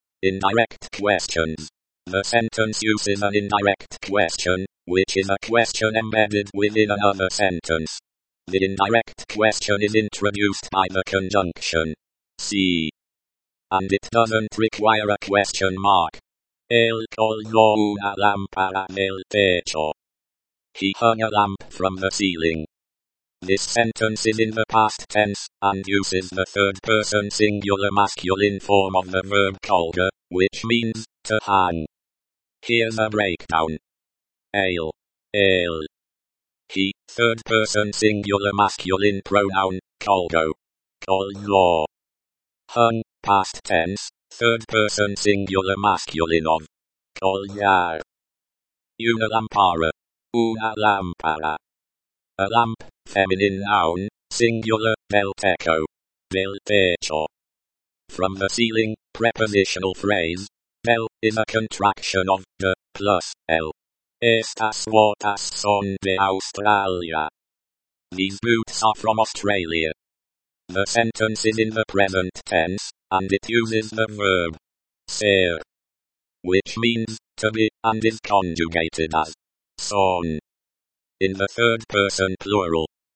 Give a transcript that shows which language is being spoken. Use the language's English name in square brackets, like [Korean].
[English] Indirect questions. The sentence uses an indirect question, which is a question embedded within another sentence. The indirect question is introduced by the conjunction si, and it doesn't require a question mark. [Spanish] Él colgó una lámpara del techo. [English] He hung a lamp from the ceiling. This sentence is in the past tense, and uses the third person singular masculine form of the verb colgar, which means to hang. Here's a breakdown. Él. He, third person singular masculine pronoun, colgó. Colgó. Hung, past tense, third person singular masculine of. Colgar. Una lámpara. Una lámpara. A lamp, feminine noun, singular, del techo. Del techo. From the ceiling, prepositional phrase. Del is a contraction of de plus el. [Spanish] Estas botas son de Australia. [English] These boots are from Australia. The sentence is in the present tense, and it uses the verb ser, which means to be, and is conjugated as son in the third person plural.